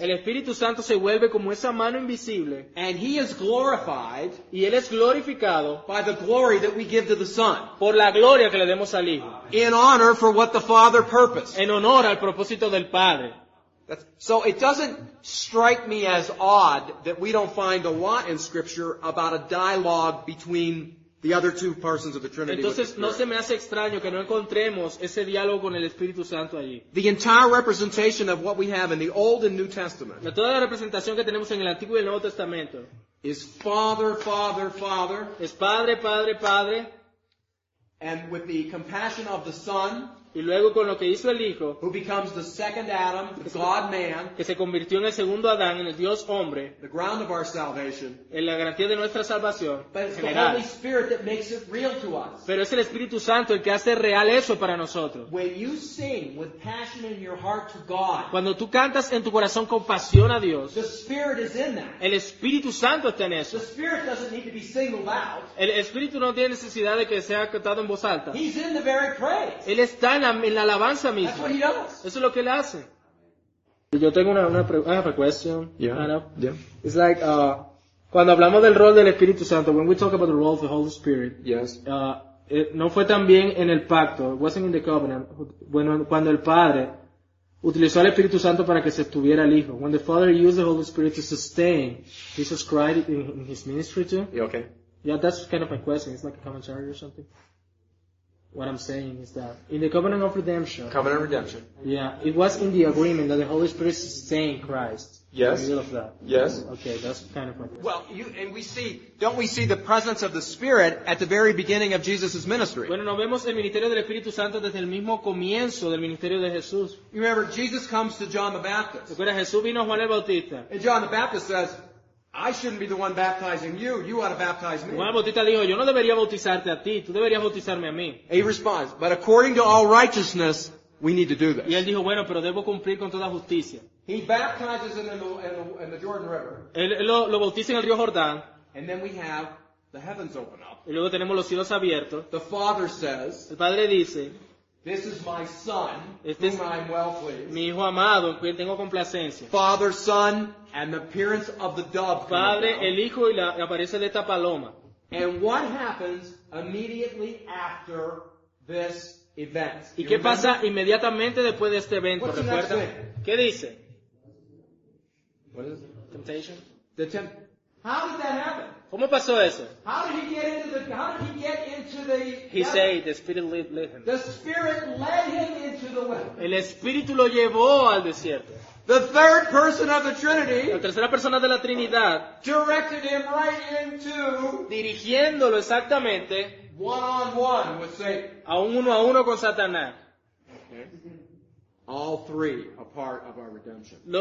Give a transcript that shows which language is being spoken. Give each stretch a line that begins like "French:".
Spanish: El Espíritu Santo se vuelve como esa mano invisible.
English: And he is glorified.
Spanish: Y él es glorificado.
English: By the glory that we give to the Son.
Spanish: Por la gloria que le demos al Hijo.
English: In honor for what the Father purposed.
Spanish: En honor al propósito del Padre.
English: So it doesn't strike me as odd that we don't find a lot in Scripture about a dialogue between the other two persons of the Trinity.
Spanish: Entonces no se me hace extraño que no encontremos ese diálogo con el Espíritu Santo allí.
English: The entire representation of what we have in the Old and New Testament.
Spanish: La toda la representación que tenemos en el Antiguo y el Nuevo Testamento.
English: Is Father, Father, Father.
Spanish: Es Padre, Padre, Padre.
English: And with the compassion of the Son.
Spanish: Y luego con lo que hizo el Hijo.
English: Who becomes the second Adam, the God-Man.
Spanish: Que se convirtió en el segundo Adán, en el Dios-Hombre.
English: The ground of our salvation.
Spanish: En la garantía de nuestra salvación.
English: But it's general. The Holy Spirit that makes it real to us.
Spanish: Pero es el Espíritu Santo el que hace real eso para nosotros.
English: When you sing with passion in your heart to God.
Spanish: Cuando tú cantas en tu corazón con pasión a Dios.
English: The Spirit is in that.
Spanish: El Espíritu Santo está en eso.
English: The Spirit doesn't need to be singled out.
Spanish: El Espíritu no tiene necesidad de que sea cantado en voz alta.
English: He's in the very praise.
Spanish: Él está en la alabanza misma. Eso es lo que él hace. Yo tengo una pregunta.
English: I have a question. Yeah. I know. Yeah. It's like,
Spanish: cuando hablamos del rol del Espíritu Santo,
English: when we talk about the role of the Holy Spirit, yes.
Spanish: no fue también en el pacto,
English: it wasn't in the covenant,
Spanish: bueno, cuando el Padre utilizó al Espíritu Santo para que se estuviera el Hijo.
English: When the Father used the Holy Spirit to sustain Jesus Christ in his ministry too. Yeah, okay. Yeah, that's kind of my question. It's like a commentary or something. What I'm saying is that in the covenant of redemption. Covenant of redemption. Yeah, it was in the agreement that the Holy Spirit sustained Christ. Yes. In the middle of that. Yes. Okay, that's kind of my question. Well, don't we see the presence of the Spirit at the very beginning of Jesus' ministry?
Spanish: Bueno, nos vemos el ministerio del Espíritu Santo desde el mismo comienzo del ministerio de Jesús.
English: You remember, Jesus comes to John the Baptist.
Spanish: Recuerda, Jesús vino a Juan el Bautista.
English: And John the Baptist says, I shouldn't be the one baptizing you. You ought to baptize me.
Spanish: Juan el Bautista dijo, yo no debería bautizarte a ti. Tú deberías bautizarme a mí.
English: He responds, but according to all righteousness, we need to do this.
Spanish: Y él dijo, bueno, pero debo cumplir con toda justicia.
English: He baptizes him in the Jordan River.
Spanish: Él lo bautiza en el río Jordán.
English: And then we have the heavens open up.
Spanish: Y luego tenemos los cielos abiertos.
English: The Father says,
Spanish: el Padre dice,
English: this is my Son, este whom I am well pleased.
Spanish: Mi hijo amado, en quien tengo complacencia.
English: Father, Son, and the appearance of the dove.
Spanish: Padre, el hijo y la aparece de esta paloma.
English: And what happens immediately after this event?
Spanish: ¿Y qué pasa inmediatamente después de este evento?
English: What's the next thing?
Spanish: ¿Qué dice?
English: What is it? Temptation. The temptation. How did that happen?
Spanish: ¿Cómo pasó eso?
English: How did he get into the? He said the Spirit led him. The Spirit led him into the wilderness.
Spanish: El Espíritu lo llevó al desierto.
English: The third person of the Trinity.
Spanish: La tercera persona de la Trinidad.
English: Directed him right into.
Spanish: Dirigiéndolo exactamente.
English: One on one with Satan.
Spanish: A uno con Satanás.
English: All three a part of our redemption.